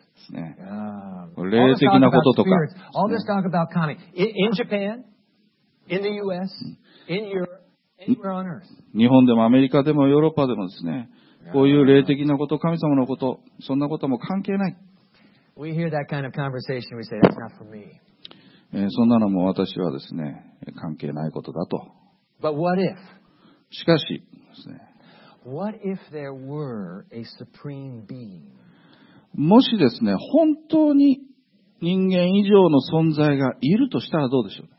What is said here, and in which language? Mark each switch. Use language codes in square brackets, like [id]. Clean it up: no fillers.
[ja] ですね。霊的なこととか。 [en] All this talk about kami. In Japan, in the U.S., in Europe, anywhere on earth. [ja] 日本でもアメリカでもヨーロッパでもですね。こういう霊的なこと、神様のこと、そんなことも関係ない。 [en] We hear that kind of conversation, we say, that's not for me. [ja] そんなのも私はですね、関係ないことだと。 [en] But what if? [ja] しかしですね。 [en] What if there were a supreme being? [ja] もしですね、本当に人間以上の存在がいるとしたらどうでしょう